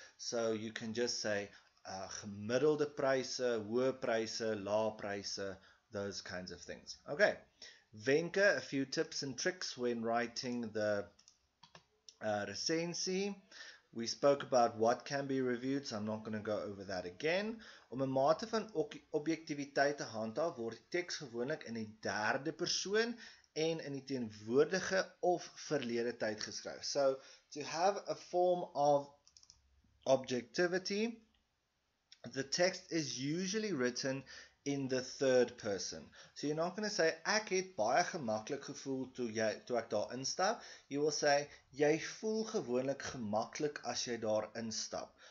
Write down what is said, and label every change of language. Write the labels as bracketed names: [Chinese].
[English] So you can just say [Afrikaans] gemiddelde pryse, hoë pryse, lae pryse, [English] those kinds of things. Okay, wenke, a few tips and tricks when writing the resensie. We spoke about what can be reviewed, so I'm not going to go over that again. [Afrikaans] Om 'n mate van objektiviteit te handhaaf, word die teks gewoonlik in die derde persoon en in die teenwoordige of verlede tyd geskryf. [English] So, to have a form of objectivity, the text is usually written in the third person. So you're not going to say, [Afrikaans] ek het baie gemaklik gevoel toe ek daar instap. [English] You will say, [Afrikaans] jy voel gewoonlik gemaklik as jy daar instap.